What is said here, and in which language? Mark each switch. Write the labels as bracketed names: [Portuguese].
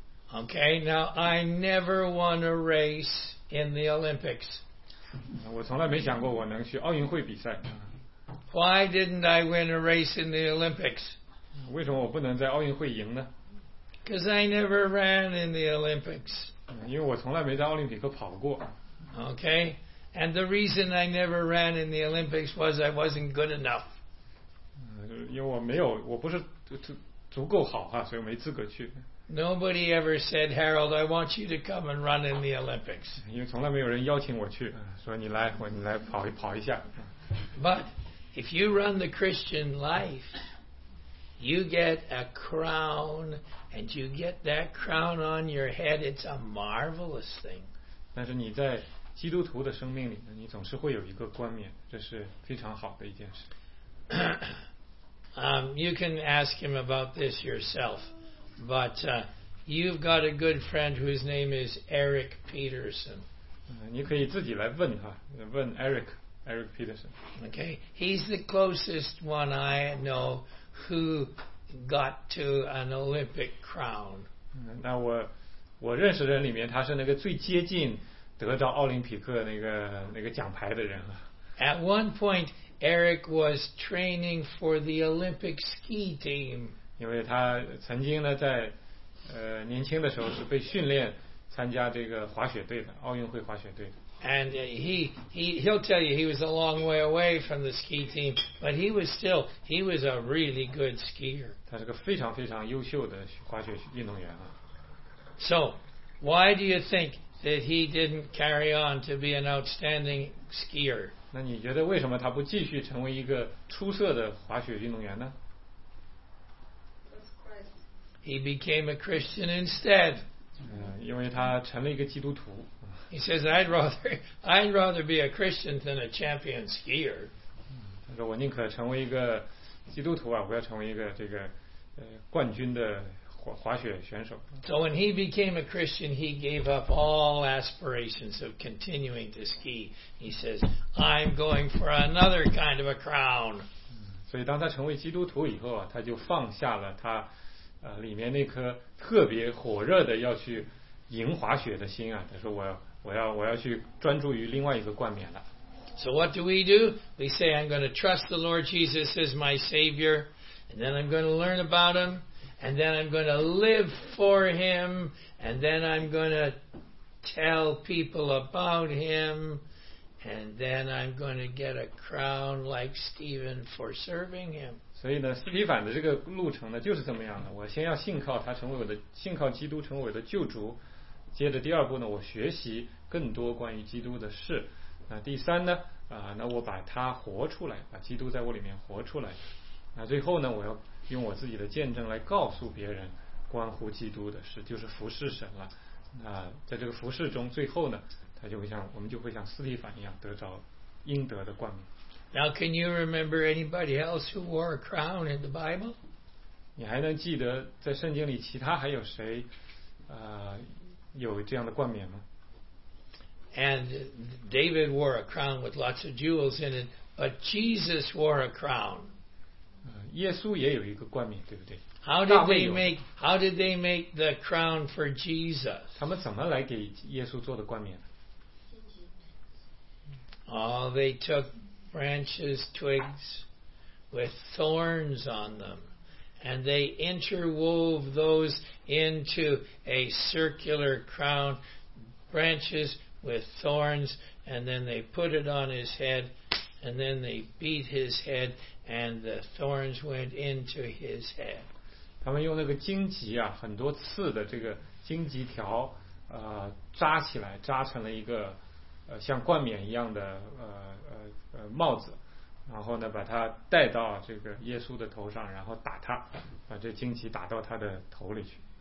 [English] Okay, now I never won a race in the Olympics. [Chinese] 我从来没想过我能去奥运会比赛。 [English] Why didn't I win a race in the Olympics? [Chinese] 为什么我不能在奥运会赢呢？ [English] Because I never ran in the Olympics. [Chinese] 因为我从来没在奥林匹克跑过。 [English] Okay, and the reason I never ran in the Olympics was I wasn't good enough. [Chinese] 因为我不是足够好哈，所以没资格去。 [English] Nobody ever said, Harold, I want you to come and run in the Olympics. [Chinese] 因为从来没有人邀请我去，说你来跑一下。 [English] But if you run the Christian life, you get a crown, and you get that crown on your head. It's a marvelous thing. [Chinese] 但是你在基督徒的生命里，你总是会有一个冠冕，这是非常好的一件事。 [English] You can ask him about this yourself. But you've got a good friend whose name is Eric Peterson. [Chinese] 你可以自己来问哈，问 Eric Peterson. [English] Okay, he's the closest one I know who got to an Olympic crown. [Chinese] 那我认识的人里面，他是那个最接近得到奥林匹克那个奖牌的人了。 [English] At one point, Eric was training for the Olympic ski team. [Chinese] 因为他曾经呢在年轻的时候是被训练参加这个滑雪队的奥运会滑雪队的。 [English] And he'll tell you he was a long way away from the ski team, but he was a really good skier. [Chinese] 他是个非常非常优秀的滑雪运动员啊。 [English] So why do you think that he didn't carry on to be an outstanding skier? [Chinese] 那你觉得为什么他不继续成为一个出色的滑雪运动员呢？ [English] He became a Christian instead. [Chinese] 因为他成了一个基督徒。 [English] He says, I'd rather be a Christian than a champion skier. [Chinese] 他说我宁可成为一个基督徒啊，不要成为一个这个冠军的滑雪选手。 [English] So when he became a Christian, he gave up all aspirations of continuing to ski. He says, I'm going for another kind of a crown. [Chinese] 所以当他成为基督徒以后啊，他就放下了他。里面那颗特别火热的要去赢滑雪的心啊，他说我要去专注于另外一个冠冕了。 [English] So what do? We say I'm going to trust the Lord Jesus as my Savior, and then I'm going to learn about Him, and then I'm going to live for Him, and then I'm going to tell people about Him, and then I'm going to get a crown like Stephen for serving Him. [Chinese] 所以呢，斯提凡的这个路程呢，就是这么样的。我先要信靠他成为我的，信靠基督成为我的救主。接着第二步呢，我学习更多关于基督的事。那第三呢，那我把他活出来，把基督在我里面活出来。那最后呢，我要用我自己的见证来告诉别人关乎基督的事，就是服侍神了。那在这个服侍中，最后呢，他就会像我们就会像斯提凡一样得着应得的冠冕。 [English] Now, can you remember anybody else who wore a crown in the Bible? [Chinese] 你还能记得在圣经里其他还有谁，有这样的冠冕吗？ [English] And David wore a crown with lots of jewels in it, but Jesus wore a crown. [Chinese] 耶稣也有一个冠冕，对不对？ [English] How did they make the crown for Jesus? [Chinese] 他们怎么来给耶稣做的冠冕？ [English] Oh, they took branches, twigs with thorns on them, and they interwove those into a circular crown, branches with thorns, and then they put it on his head, and then they beat his head. And the thorns went into his head. [Chinese] 他们用那个荆棘啊，很多刺的这个荆棘条，扎起来，扎成了一个，像冠冕一样的帽子。然后呢，把它戴到这个耶稣的头上，然后打他，把这荆棘打到他的头里去。